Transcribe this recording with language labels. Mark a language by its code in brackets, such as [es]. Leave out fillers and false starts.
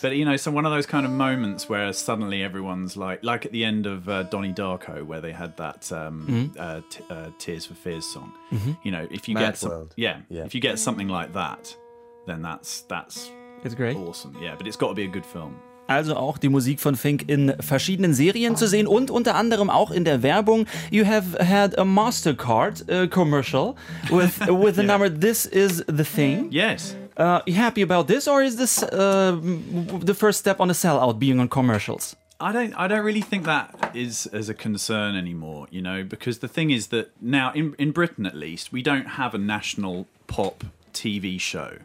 [en] But, you know, so one of those kind of moments where suddenly everyone's like at the end of Donnie Darko, where they had that Tears for Fears song. Mm-hmm. You know, if you Mad get World. If you get something like that, then that's it's great. Awesome. Yeah, but it's got to be a good film. [de] Also auch die Musik von Fink in verschiedenen Serien zu sehen und unter anderem auch in der Werbung. [en] You have had a MasterCard commercial with the yeah. number This Is The Thing. Yes. Are you happy about this or is this the first step on a sellout being on commercials? I don't really think that is as a concern anymore, you know, because the thing is that now in Britain at least, we don't have a national pop TV show